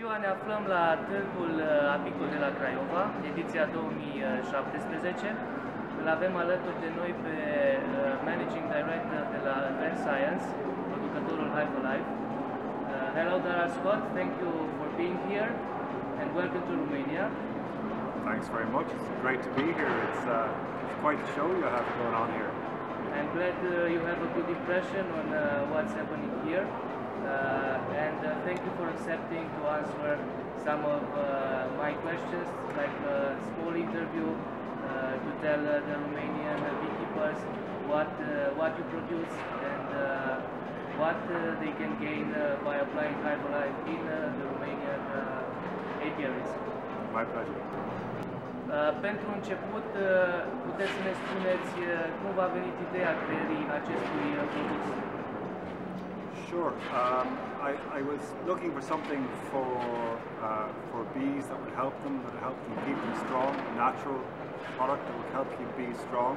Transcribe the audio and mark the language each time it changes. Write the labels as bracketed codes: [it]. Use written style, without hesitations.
[ro] Ne aflăm la Târgul Apicul de la Craiova, ediția 2017. Îl avem alături de noi pe Managing Director de la Advanced Science, producătorul Hive Alive. [en] Hello, Dara Scott. Thank you for being here and welcome to Romania. Thanks very much. It's great to be here. It's quite a show you have going on here. I'm glad you have a good impression on what's happening here. And thank you for accepting to answer some of my questions, like a small interview to tell the Romanian beekeepers what you produce and what they can gain by applying Hive Alive in the Romanian apiaries. My pleasure. [ro] Pentru început, puteți să ne spuneți cum v-a venit ideea creării acestui produs? [en] Sure. I was looking for something for bees that would help them, that would help them keep them strong, a natural product that would help keep bees strong.